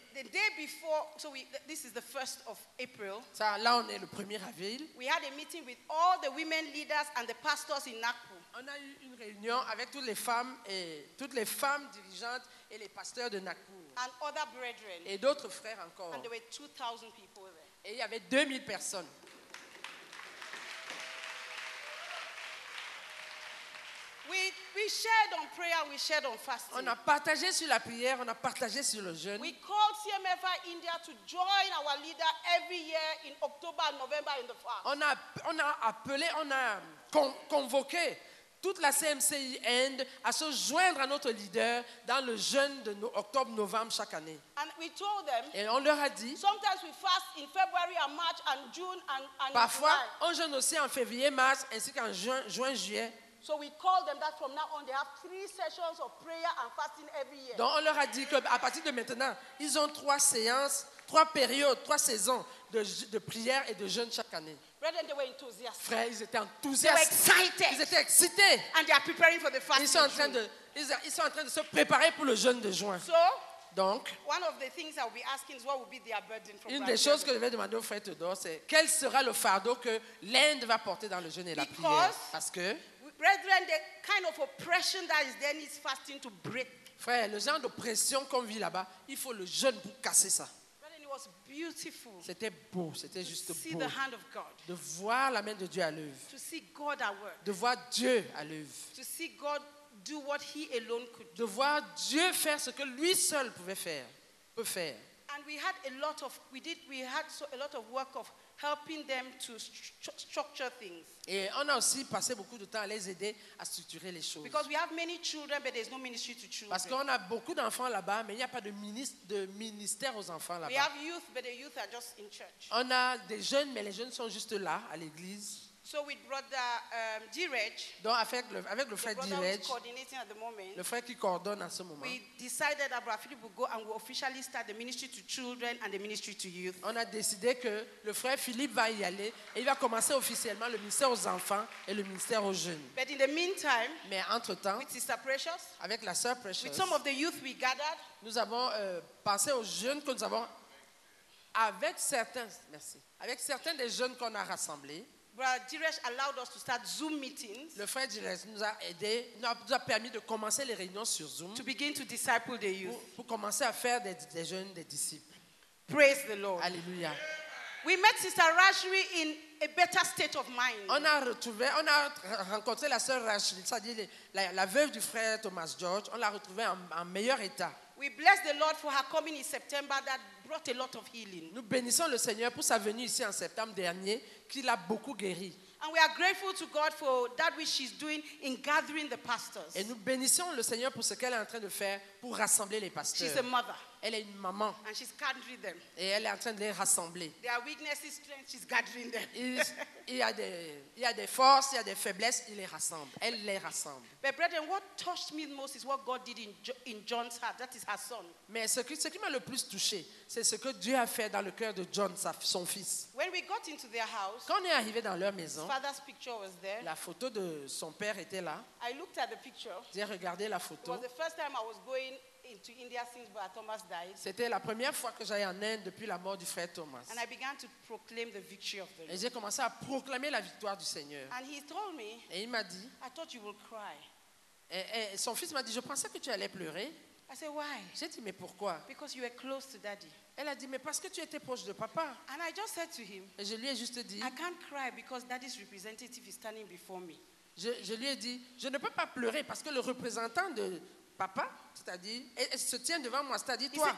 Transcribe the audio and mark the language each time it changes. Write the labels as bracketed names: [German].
[English] The day before, so this is the 1st of April. [French] Ça, là, on est le 1er avril. [English] We had a meeting with all the women leaders and the pastors in Nagpur. [French] On a eu une réunion avec toutes les femmes dirigeantes et les pasteurs de Nagpur. [English] And other brethren. [French] Et d'autres frères encore. [English] And there were 2,000 people there. [French] Et il y avait 2,000 personnes. [English] We shared on prayer, we shared on fasting. [French] On a partagé sur la prière, on a partagé sur le jeûne. [English] We called CMFI India to join our leader every year in October and November in the fast. [French] On a convoqué toute la CMCI End à se joindre à notre leader dans le jeûne de octobre, novembre chaque année. [English] And we told them, [French] et on leur a dit, [English] sometimes we fast in February and March and June and [French] parfois, [English] July. [French] On jeûne aussi en février, mars, ainsi qu'en juin, juillet. [English] So we call them that from now on they have 3 sessions of prayer and fasting every year. [French] Donc on leur a dit que à partir de maintenant, ils ont 3 séances, 3 périodes, 3 saisons de prière et de jeûne chaque année. [English] Brethren, they were enthusiastic. [French] Frères, ils étaient enthousiastes. [English] They were excited. [French] Ils étaient excités. [English] And they are preparing for the fasting. [French] Ils sont en train de se préparer pour le jeûne de juin. [English] So, [French] donc, [English] one of the things I'll be asking is what will be their burden from [French] une des choses que je vais demander aux frères Tudor, c'est quel sera le fardeau que l'Inde va porter dans le jeûne et la prière parce que [English] brethren, the kind of oppression that is there needs fasting to break. [French] Frère, le genre d'oppression qu'on vit là-bas, il faut le jeûne pour casser ça. [English] Brethren, it was beautiful. [French] C'était beau, c'était juste beau. [English] To see the hand of God. [French] De voir la main de Dieu à l'œuvre. [English] To see God at work. [French] De voir Dieu à l'œuvre. [English] To see God do what He alone could do. [French] De voir Dieu faire ce que lui seul pouvait faire, peut faire. [English] And we had a lot of work of helping them to structure things. [French] Et on a aussi passé beaucoup de temps à les aider à structurer les choses. [English] Because we have many children, but there's no ministry to children. [French] Parce qu'on a beaucoup d'enfants là-bas, mais il n'y a pas de ministère aux enfants là-bas. [English] We have youth, but the youth are just in church. [French] On a des jeunes, mais les jeunes sont juste là, à l'église. [English] So with brother Direj, [French] donc avec le frère Direj, le frère qui coordonne en ce moment, [English] we decided that brother Philip will go and will officially start the ministry to children and the ministry to youth. [French] On a décidé que le frère Philippe va y aller et il va commencer officiellement le ministère aux enfants et le ministère aux jeunes. [English] But in the meantime, [French] mais entre temps, [English] with sister Precious, [French] avec la sœur Precious, [English] with some of the youth we gathered, [French] nous avons pensé aux jeunes que nous avons avec certains des jeunes qu'on a rassemblés. [English] Brother Direj allowed us to start Zoom meetings. [French] Le frère Direj nous a aidé, nous a permis de commencer les réunions sur Zoom. [English] To begin to disciple the youth. [French] Pour commencer à faire des jeunes, des disciples. [English] Praise the Lord. [French] Alléluia. [English] We met Sister Rajri in a better state of mind. [French] On a rencontré la sœur Rajri, c'est-à-dire la veuve du frère Thomas George. On l'a retrouvée en meilleur état. [English] We bless the Lord for her coming in September that brought a lot of healing. [French] Nous bénissons le Seigneur pour sa venue ici en septembre dernier qui l'a beaucoup guéri. [English] And we are grateful to God for that which she's doing in gathering the pastors. [French] Et nous bénissons le Seigneur pour ce qu'elle est en train de faire pour rassembler les pasteurs. [English] She's a mother. [French] Elle est une maman. [English] And she's gathering them. [French] Et elle est en train de les rassembler. [English] Their weaknesses, strengths, she's gathering them. [French] Il y a des forces, il y a des faiblesses, il les rassemble. Elle les rassemble. [English] But brethren, what touched me the most is what God did in John's heart. That is her son. [French] Mais ce qui m'a le plus touché, c'est ce que Dieu a fait dans le cœur de John, son fils. [English] When we got into their house, [French] quand on est arrivé dans leur maison, [English] father's picture was there. [French] La photo de son père était là. [English] I looked at the picture. [French] J'ai regardé la photo. [English] It was the first time I was going into India since brother Thomas died. [French] C'était la première fois que j'allais en Inde depuis la mort du frère Thomas. [English] And I began to proclaim the victory of the Lord. [French] Et j'ai commencé à proclamer la victoire du Seigneur. [English] And he told me, [French] et il m'a dit, [English] I thought you would cry. [French] Et son fils m'a dit, je pensais que tu allais pleurer. [English] I said, why? [French] J'ai dit, mais pourquoi? [English] Because you were close to daddy. [French] Elle a dit, mais parce que tu étais proche de papa. [English] And I just said to him, [French] et je lui ai juste dit, [English] I can't cry because daddy's representative is standing before me. [French] Je lui ai dit, je ne peux pas pleurer parce que le représentant de papa, c'est-à-dire, elle se tient devant moi, c'est-à-dire toi.